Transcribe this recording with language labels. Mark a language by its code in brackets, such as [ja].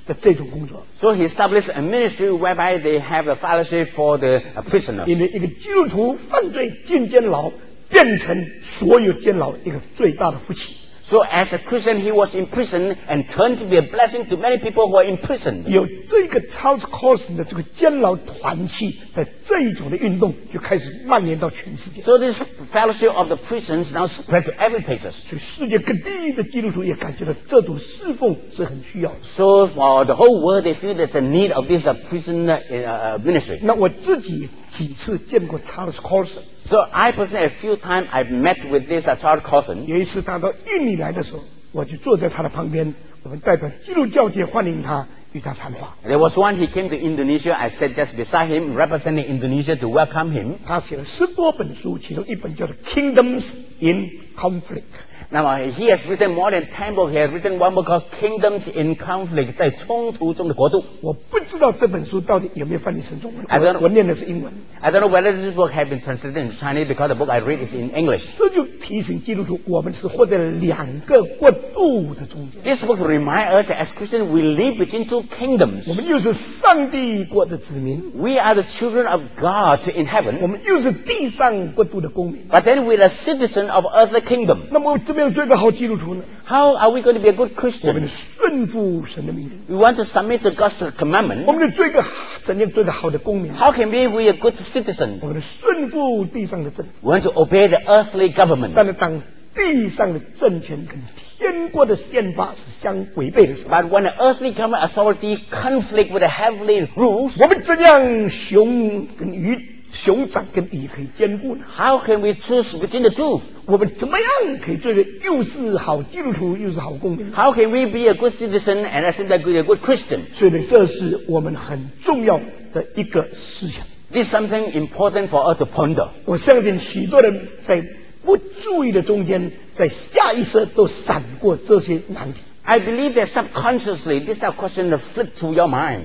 [zh] 这种工作 [en] So he established a ministry whereby they have a fellowship for the prisoners. [zh] 因为一个基督徒犯罪进监牢，变成所有监牢一个最大的福气。 [en] So as a Christian, he was in prison and turned to be a blessing to many people who are in prison. [zh] 有这个 Charles Colson 的这个监牢团契的这一种的运动，就开始蔓延到全世界。 [en] So this fellowship of the prisons now spread to every place. [zh] 所以世界各地的基督徒也感觉到这种侍奉是很需要。 [en] So for the whole world, they feel that the need of this prison ministry. [zh] 那我自己几次见过 Charles Colson。 [en] So I personally a few times I've met with this Charles Colson. [zh] 有一次他到印尼来的时候，我就坐在他的旁边，我们代表基督教界欢迎他，与他谈话。 [en] There was one he came to Indonesia. I sat just beside him, representing Indonesia to welcome him. [zh] 他写了十多本书，其中一本叫做《Kingdoms in Conflict》。 [en] 那么 he has written more than 10 books. He has written one book called Kingdoms in Conflict, [zh] 在冲突中的国度。我不知道这本书到底有没有翻译成中文。我念的是英文。 [en] I don't know whether this book has been translated into Chinese because the book I read is in English. [zh] 这就提醒基督徒，我们是活在两个国度的中间。 [en] This book reminds us that as Christians we live between two kingdoms. [zh] 我们又是上帝国的子民。 [en] We are the children of God in heaven. [zh] 我们又是地上国度的公民。 [en] But then we are citizens of other kingdom. [zh] 那么怎么样做一个好基督徒呢？ [en] How are we going to be a good Christian? [zh] 我们顺服神的命令。 [en] We want to submit to God's commandment. [zh] 我们做一个怎样做一个好的公民？ [en] How can we a good citizen? [zh] 我们顺服地上的政。 [en] We want to obey the earthly government. [zh] 但是当地上的政权跟天国的宪法是相违背的时候， [en] But when the earthly government authority conflict with the heavenly rules, [zh] 我们怎样雄跟鱼？熊掌跟鱼可以兼顾呢？ [en] How can we choose between the two? [zh] 我们怎么样可以做一个又是好基督徒又是好公民？ [en] How can we be a good citizen and at the same time a good Christian? [zh] 所以这是我们很重要的一个思想。 [en] This is something important for us to ponder. [zh] 我相信许多人在不注意的中间，在下意识都闪过这些难题。 [en] I believe that subconsciously this type of question flip through your mind.